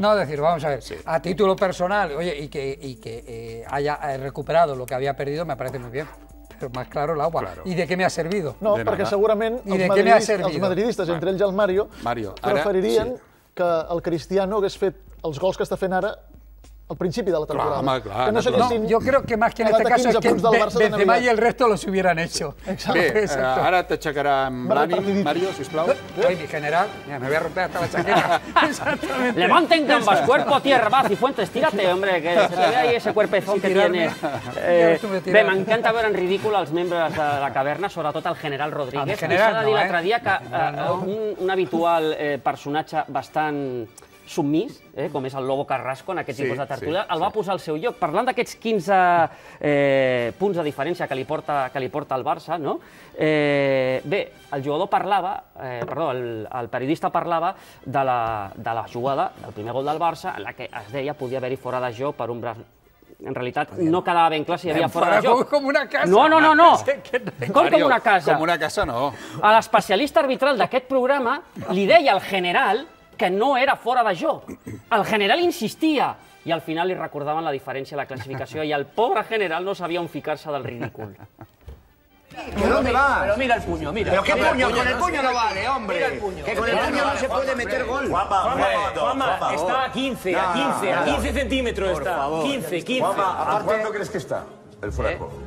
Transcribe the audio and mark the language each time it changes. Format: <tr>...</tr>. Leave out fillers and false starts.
<es>No, decir, vamos a ver, a título personal, oye, y que haya recuperado lo que había perdido, me parece muy bien. Pero más claro el agua. Claro. ¿Y de qué me ha servido? No, de</es> <ca>perquè segurament els madridistes, entre ells i el Mario preferirien que el Cristiano hagués fet els gols que està fent ara al principi de la temporada. Clar, home, clar, que no, jo crec que més que en aquest cas és que Benzema i</ca> <es>el resto los hubieran hecho.</es> <ca>Exacte. Bé, ara t'aixecaran l'ànim, Mario, sisplau.</ca> <es>Ai, mi general, mira, me voy a romper hasta la chaqueta.</es> <ca>Exactament.</ca> <es>Levanten gambas, cuerpo, tierra, paz y fuentes, tírate, hombre, que se te ve ahí ese cuerpezón que tienes.</es> <ca>Bé, m'encanta veure en ridícul els membres de la caverna, sobretot el general Rodríguez. El general no, s'ha de dir l'altre dia que un habitual personatge bastant... submís, com és el Lobo Carrasco en aquest tipus de tertúlia, el va posar al seu lloc. Parlant d'aquests 15 punts de diferència que li porta el Barça, no? Bé, el jugador parlava, perdó, el periodista parlava de la jugada, del primer gol del Barça, en la que es deia podia haver-hi fora de joc per un braç. En realitat, no quedava ben clar si hi havia fora de joc. Com una casa. No. Com una casa? Com una casa, no. A l'especialista arbitral d'aquest programa li deia al general que no era fora de joc. El general insistia i al final li recordaven la diferència de la classificació i el pobre general no sabia on ficar-se del ridícul.</ca> <es>¿Pero dónde vas? Pero mira el puño, mira. ¿Pero qué puño? Con el puño no vale, hombre. Mira el puño. Que con el puño no se puede meter gol. Guapa, Juanma, está a 15, a 15, a 15 centímetros está. 15, 15. Guapa, ¿a cuánto crees que está el fraco?</es>